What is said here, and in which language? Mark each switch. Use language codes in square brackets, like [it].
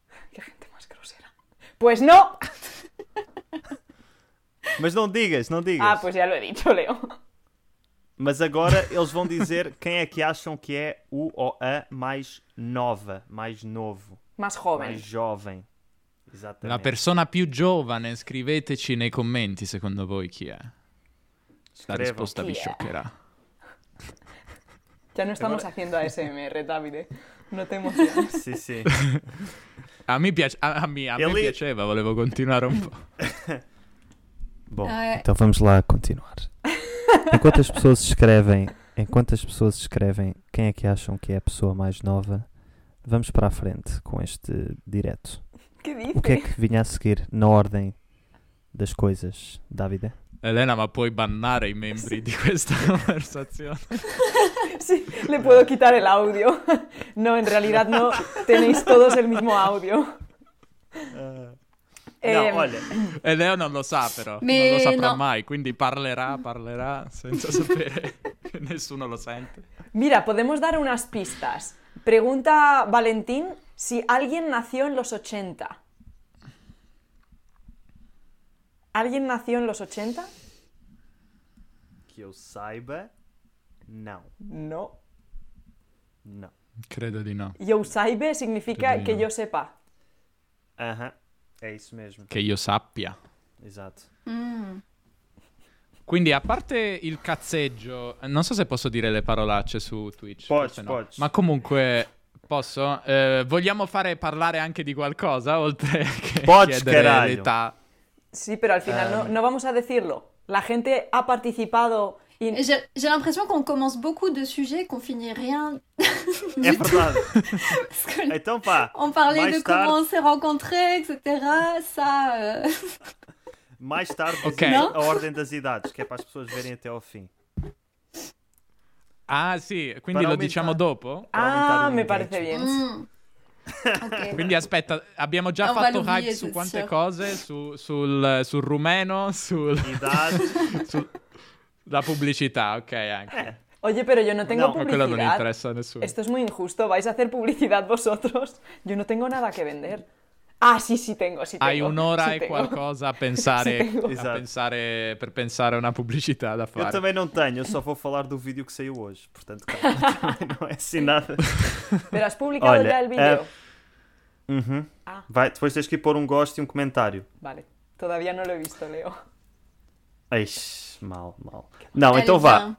[pt] Que gente mais grosera. Pois não! Mas não digas, não digas. [es] Ah, [pt] pois já [es] lo he dicho, Leo. [pt] Mas agora eles vão dizer quem é que acham que é o ou a mais nova, mais novo. Mais jovem. Mais jovem. Exatamente. [it] La persona più giovane, scriveteci nei commenti, secondo voi chi è? La risposta vi scioccherà. Già non stiamo facendo ASMR, Davide. Non te emozioni. Sì, sì. A me piace, a me piaceva, volevo continuare un po'. [pt] Bom, então vamos lá continuar. Enquanto as pessoas escrevem quem é que acham que é a pessoa mais nova, vamos para a frente com este direto. Que o que é que vinha a seguir na ordem das coisas, Davide? [it] Helena, mas puoi bannare i membri di questa conversazione? [pt] Sim, [es] le puedo quitar el audio. No, en realidad no, tenéis todos el mismo audio. [pt] No, olha. [it] Helena non lo sa, però. Non lo saprà mai, quindi parlerà senza sapere che nessuno lo sente. [es] Mira, podemos dar unas pistas. Pregunta Valentín. Si alguien nació en los 80. ¿Alguien nació en los 80? Que yo saiba, no. No. No. Creo que no. Yo saiba significa que yo sepa. Ajá, es eso mismo. Que yo sappia. Exacto. [it] Quindi, a parte il cazzeggio, non so se posso dire le parolacce su Twitch. Poi, ma comunque... Posso? Vogliamo fare parlare anche di qualcosa, oltre che chiedere l'età? Sì, però [es] al final no vamos a decirlo. La gente ha participato in... [fr] J'ai l'impression qu'on commence beaucoup de sujets, qu'on finit rien du tout. Parce que [pt] então, pá, [fr] on parlait de tard... comment on s'est rencontrés, etc. Ça... [pt] Mais tarde, okay. A ordem das idades, que é para as pessoas verem até ao fim. [it] Ah, sì, quindi lo diciamo dopo? Ah, mi pare bene. Okay. Quindi aspetta, abbiamo già fatto hype su quante cose? Sul rumeno, sulla pubblicità, ok, anche. Oye, però io non tengo pubblicità. Quello non interessa a nessuno. [es] Esto es muy injusto, vais a hacer publicidad vosotros. Yo no tengo nada que vender. Ah, sì, tengo. [it] Hai un'ora e qualcosa a pensare, per pensare a una pubblicità da fare. [pt] Io também não tenho, só vou falar do vídeo que saiu hoje, portanto, calma, não é assim nada. [es] Pero has publicado [pt] já o vídeo? Vai, depois tens que pôr um gosto e um comentário. [es] Vale, todavía não [it] l'ho visto, [es] Leo. [pt] Eish, mal. Não, então vá.